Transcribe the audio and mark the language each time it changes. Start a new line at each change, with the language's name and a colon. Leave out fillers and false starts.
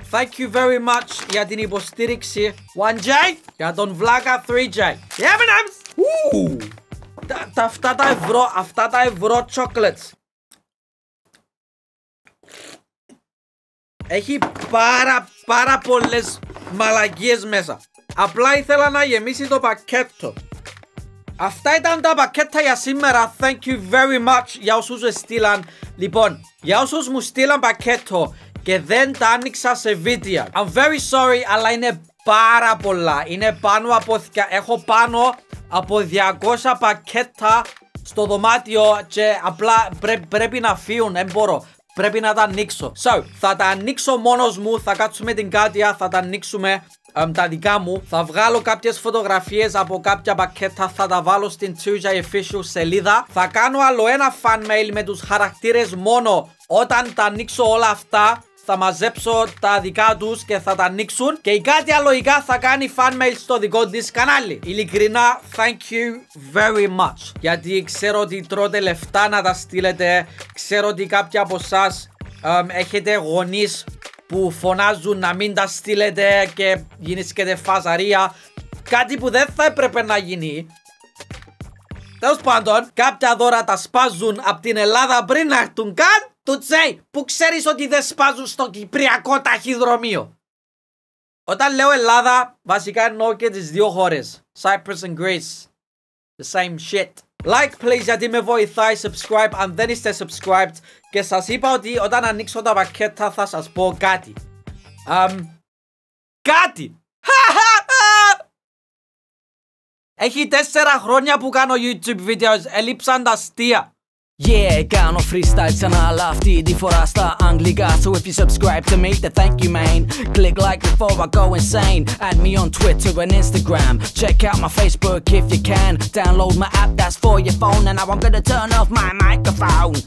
English: Thank you very much
Greek: για την υποστήριξη 1J για τον Vlaga 3J. Yeminems! Αυτά τα ευρώ, αυτά τα ευρώ chocolates. Έχει πάρα πολλές μαλαγίες μέσα. Απλά ήθελα να γεμίσει το πακέτο. Αυτά ήταν τα πακέτα για σήμερα.
English: Thank you very much
Greek: για όσους με στείλαν. Λοιπόν, για όσους μου στείλαν πακέτο και δεν τα άνοιξα σε βίντεο,
English: I'm very sorry,
Greek: αλλά είναι πάρα πολλά. Είναι πάνω από... Έχω πάνω από 200 πακέτα στο δωμάτιο και απλά πρέπει να φύγουν. Δεν μπορώ. Πρέπει να τα ανοίξω. So, θα τα ανοίξω μόνος μου. Θα κάτσουμε την Κάτια. Θα τα ανοίξουμε... τα δικά μου. Θα βγάλω κάποιες φωτογραφίες από κάποια πακέτα. Θα τα βάλω στην 2J Official σελίδα. Θα κάνω άλλο ένα fan mail με τους χαρακτήρες μόνο όταν τα ανοίξω όλα αυτά. Θα μαζέψω τα δικά τους και θα τα ανοίξουν. Και η Κάτια λογικά θα κάνει fan mail στο δικό της κανάλι. Ειλικρινά,
English: thank you very much.
Greek: Γιατί ξέρω ότι τρώτε λεφτά να τα στείλετε. Ξέρω ότι κάποιοι από εσάς έχετε γονείς που φωνάζουν να μην τα στείλετε και γίνεσκετε φαζαρία. Κάτι που δεν θα έπρεπε να γίνει. Τέλος πάντων, κάποια δώρα τα σπάζουν από την Ελλάδα πριν να έρθουν καν του Τζέι. Που ξέρεις ότι δεν σπάζουν στο Κυπριακό ταχυδρομείο. Όταν λέω Ελλάδα, βασικά εννοώ και τις δύο χώρες.
English: Cyprus and Greece. The same shit. Like please
Greek: γιατί με βοηθάει, subscribe αν δεν είστε subscribed. Και σας είπα ότι όταν ανοίξω τα πακέτα θα σας πω κάτι. Κάτι! Έχει 4 χρόνια που κάνω YouTube videos, έλειψαν τα αστεία. Yeah, κάνω freestyle ξανά, αλλά αυτή τη φορά στα αγγλικά.
English: So if you subscribe to me, then thank you, man. Click like before I go insane. Add me on Twitter and Instagram. Check out my Facebook if you can. Download my app, that's for your phone. And now I'm gonna turn off my microphone.